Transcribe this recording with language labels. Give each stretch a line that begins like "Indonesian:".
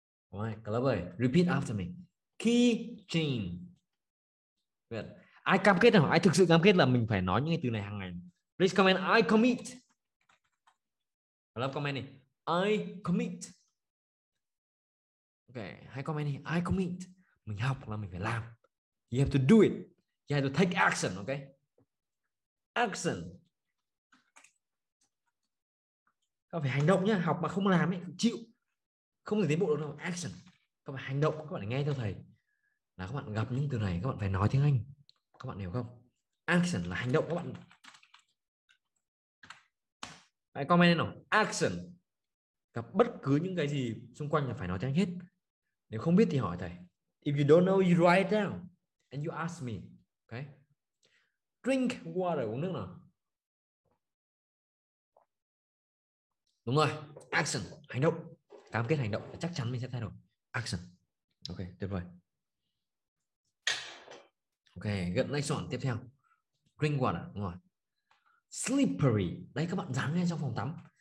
English: Alright,
Vietnamese: các lớp ơi,
English: repeat after me. Keychain. Good.
Vietnamese: Ai cam kết không? Ai thực sự cam kết là mình phải nói những cái từ này hàng ngày?
English: Please comment I commit.
Vietnamese: Các lớp comment đi.
English: I commit.
Vietnamese: Ok, hãy comment đi.
English: I commit.
Vietnamese: Mình học là mình phải làm.
English: You have to do it. You have to take action, okay? Action.
Vietnamese: Các bạn phải hành động nhé, học mà không làm ấy, chịu. Không thể tiến bộ được đâu, action. Các bạn hành động, các bạn nghe theo thầy. Là các bạn gặp những từ này, các bạn phải nói tiếng Anh. Các bạn hiểu không? Action là hành động các bạn. Hãy comment lên nào, action. Gặp bất cứ những cái gì xung quanh là phải nói tiếng hết. Nếu không biết thì hỏi thầy.
English: If you don't know, you write it down and you ask me. Okay. Drink water,
Vietnamese: uống nước nào. Đúng rồi, action, hành động. Cam kết hành động, chắc chắn mình sẽ thay đổi. Action. Ok, tuyệt vời. Ok, gần
English: next one,
Vietnamese: tiếp theo. Drink water, đúng rồi. Slippery, đấy các bạn dán ngay trong phòng tắm.